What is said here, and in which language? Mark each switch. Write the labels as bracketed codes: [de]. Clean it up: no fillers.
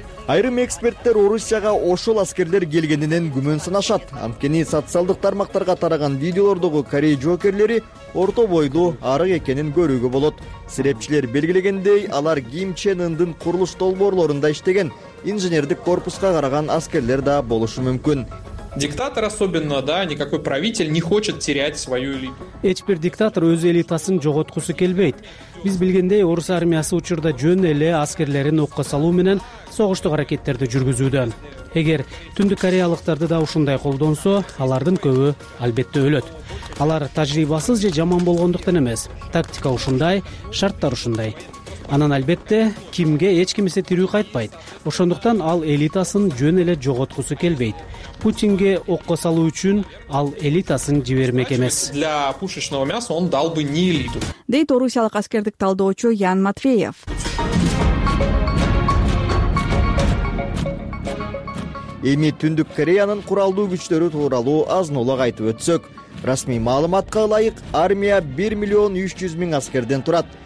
[ky] Айрым эксперттер Орусияга ошол аскерлер келгенинен күмөн санашат. Анткени социалдык тармактарга тараган видеолордогу корей жоокерлери орто бойдуу, арык экенин көрүүгө болот. Серепчилер белгилегендей, алар Ким Чен Ындын курулуш долбоорлорунда иштеген инженердик корпуска караган аскерлер да болушу мүмкүн. [ru] Диктатор особенно, да, никакой правитель не хочет терять свою элиту. [ky] Эч бир диктатор өз элитасын жоготкусу келбейт. Биз билгендей, орус армиясы учурда жөн эле аскерлерин окко салуу менен согуштук аракеттерди жүргүзүүдө. Эгер түндүк кореялыктарды да ушундай колдонсо, алардын көбү албетте өлөт. Алар тажрыйбасыз же жаман болгондуктан эмес. Тактика ушундай, шарттар ушундай. Анан албетте кимге эч кимисе тирүү кайтпайт. Ошондуктан ал элитасын жөн эле жоготкусу келбейт. Путинге окко салуу үчүн ал элитасын жибермек эмес. [ru] Для пушечного мяса он дал бы не элиту. [ky] Дейт орусиялык аскердик талдоочу Ян Матвеев. Эми Түндүк Кореянын куралдуу күчтөрү тууралуу азынолок айтып өтсөк. Расмий маалыматка ылайык, армия 1,300,000 аскерден турат.